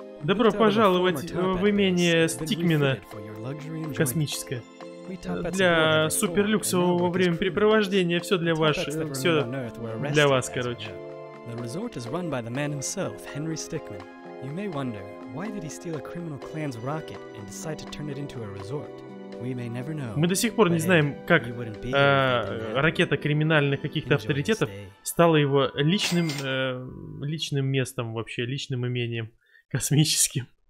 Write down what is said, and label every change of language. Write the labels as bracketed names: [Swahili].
[Russian] Добро пожаловать в имение Стикмена космическое. Для суперлюксового времяпрепровождения все для вас, все для вас, короче. [English] The resort is run by the man himself, Henry Stickmin. You may wonder, why did he steal a criminal clan's rocket and decide to turn it into a resort? We may never know. [Russian] Мы до сих пор не знаем, как ракета криминальных каких-то авторитетов стала его личным, личным местом вообще, личным имением космическим.